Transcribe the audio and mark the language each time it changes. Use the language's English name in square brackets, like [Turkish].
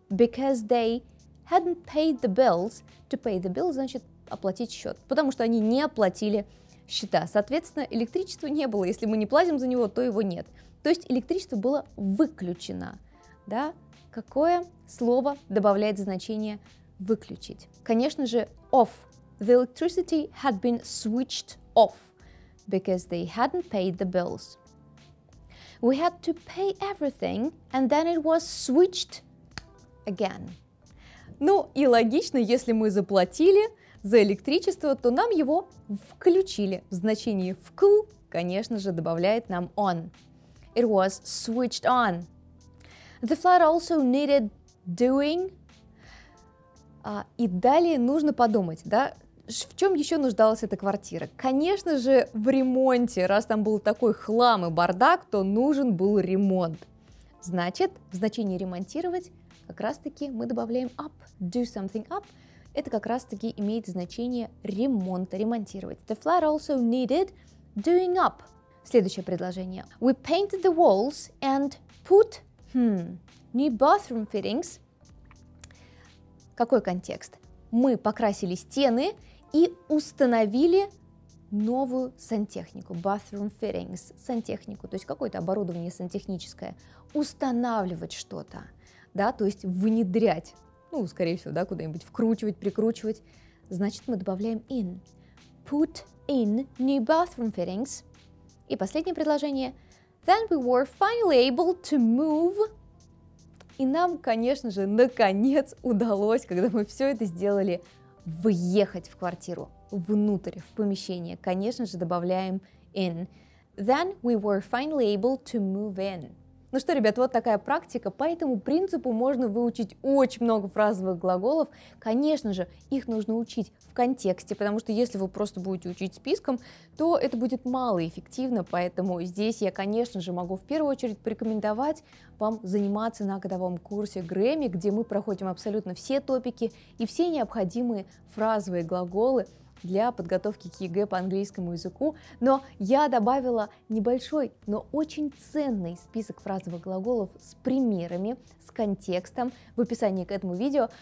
[English] Because they hadn't paid the bills. To pay the bills [Russian] значит оплатить счет, потому что они не оплатили счета. Соответственно, электричества не было. Если мы не платим за него, то его нет. То есть электричество было выключено. Да? Какое слово добавляет значение выключить? Конечно же, off. [English] The electricity had been switched off because they hadn't paid the bills. We had to pay everything and then it was switched again. [Russian] Ну и логично, если мы заплатили за электричество, то нам его включили. В значении вкл, конечно же, добавляет нам on. [English] It was switched on. The flat also needed doing. [Russian] И далее нужно подумать, да, в чем еще нуждалась эта квартира? Конечно же, в ремонте. Раз там был такой хлам и бардак, то нужен был ремонт. Значит, в значении ремонтировать как раз-таки мы добавляем up, [English] do something up. [Russian] Это как раз-таки имеет значение ремонта, ремонтировать. [English] The flat also needed doing up. [Russian] Следующее предложение. [English] We painted the walls and put new bathroom fittings. [Russian] Какой контекст? Мы покрасили стены и установили новую сантехнику. Bathroom fittings, сантехнику, то есть какое-то оборудование сантехническое. Устанавливать что-то, да, то есть внедрять. Ну, скорее всего, да, куда-нибудь вкручивать, прикручивать. Значит, мы добавляем [English] in. Put in new bathroom fittings. [Russian] И последнее предложение. [English] Then we were finally able to move. [Russian] И нам, конечно же, наконец удалось, когда мы все это сделали, въехать в квартиру, внутрь, в помещение. Конечно же, добавляем in. [English] Then we were finally able to move in. [Russian] Ну что, ребят, вот такая практика. По этому принципу можно выучить очень много фразовых глаголов. Конечно же, их нужно учить в контексте, потому что если вы просто будете учить списком, то это будет малоэффективно. Поэтому здесь я, конечно же, могу в первую очередь порекомендовать вам заниматься на годовом курсе Grammy, где мы проходим абсолютно все топики и все необходимые фразовые глаголы для подготовки к ЕГЭ по английскому языку, но я добавила небольшой, но очень ценный список фразовых глаголов с примерами, с контекстом в описании к этому видео.